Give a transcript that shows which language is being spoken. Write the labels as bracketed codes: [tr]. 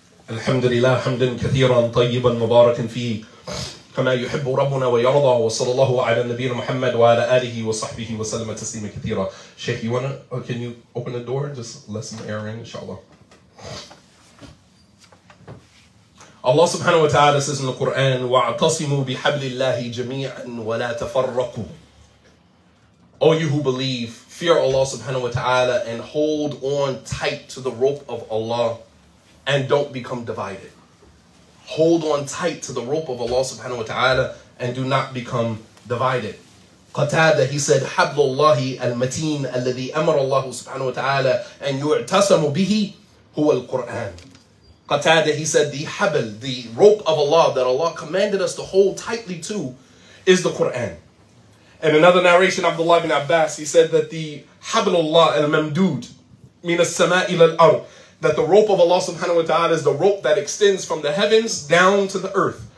[ar] الحمد لله حمدا كثيرا طيبا مباركا فيه كما يحب ربنا ويرضى وصلى الله على النبي محمد وعلى آله وصحبه وسلم تسليما كثيرا. [en] Sheikh, you wanna, can you open the door? Just let some air in, inshallah. Allah subhanahu wa ta'ala says in the Quran, [ar] وَاعْتَصِمُوا بِحَبْلِ اللَّهِ جَمِيعًا وَلَا تَفَرَّقُوا. [en] O you who believe, fear Allah subhanahu wa ta'ala and hold on tight to the rope of Allah and don't become divided. Hold on tight to the rope of Allah subhanahu wa ta'ala and do not become divided. Qatada, he said, [ar] حَبْلُ اللَّهِ الْمَتِينَ الَّذِي أَمَرَ اللَّهُ سُبْحَانَهُ وَتَعَالَى أَنْ يُعْتَصَمُوا بِهِ هُوَ الْقُرْآنِ. [en] Qatada, he said, the habl, the rope of Allah that Allah commanded us to hold tightly to is the Qur'an. And another narration of Abdullah ibn Abbas, he said that the [ar] hablullah al-mamdood, min as-sama ila al-ard, [en] that the rope of Allah subhanahu wa ta'ala is the rope that extends from the heavens down to the earth.